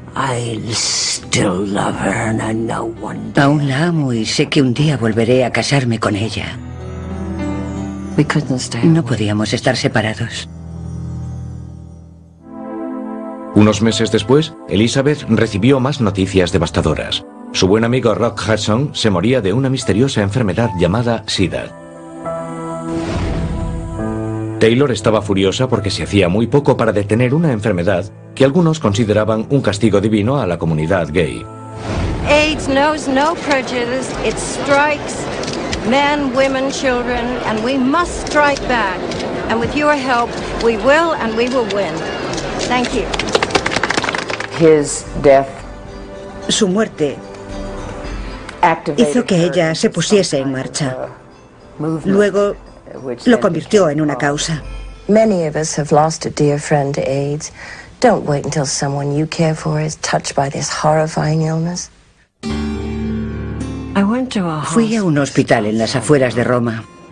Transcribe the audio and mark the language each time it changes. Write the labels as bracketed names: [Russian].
[English] I'll still love her and I know one day. [Spanish] Aún la amo y sé que un día volveré a casarme con ella. [English] We couldn't stay. [Spanish] No podíamos estar separados. Unos meses después, Elizabeth recibió más noticias devastadoras. Su buen amigo Rock Hudson se moría de una misteriosa enfermedad llamada SIDA. Taylor estaba furiosa porque se hacía muy poco para detener una enfermedad que algunos consideraban un castigo divino a la comunidad gay. [English] AIDS knows no prejudice. It strikes men, women, children, and we must strike back. And with your help, we will and we will win. Thank you. His death. [Spanish] Su muerte hizo que ella se pusiese en marcha. Luego lo convirtió en una causa. [English] Many of us have lost a dear friend to AIDS. Don't wait until someone you care for is touched by this horrifying illness. [Spanish] Fui a un hospital en las afueras de Roma.